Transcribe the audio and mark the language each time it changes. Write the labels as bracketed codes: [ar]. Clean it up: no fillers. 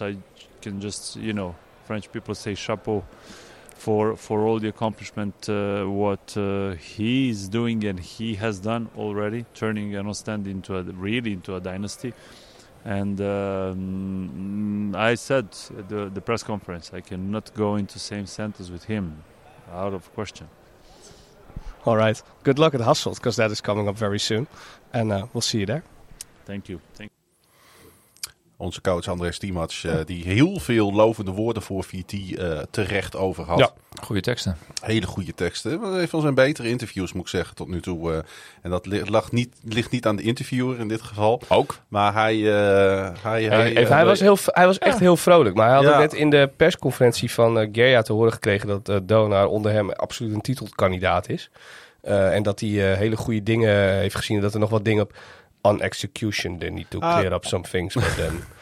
[en] I can just, you know, French people say chapeau for all the accomplishment what he is doing and he has done already, turning an Ostend into a dynasty. And I said at the press conference, I cannot go into same sentence with him, out of question. All right. Good luck at Hasselt, because that is coming up very soon. And we'll see you there. Thank you. [nl] Onze coach André Stiematsch, die heel veel lovende woorden voor VT terecht over had. Ja, goede teksten. Hele goede teksten. Een van zijn betere interviews, moet ik zeggen, tot nu toe. En dat ligt niet aan de interviewer in dit geval. Ook. Maar hij was echt heel vrolijk. Maar hij had net in de persconferentie van Gerja te horen gekregen dat Donar onder hem absoluut een titelkandidaat is. En dat hij hele goede dingen heeft gezien en dat er nog wat dingen op... [en] On execution, they need to clear up some things with them.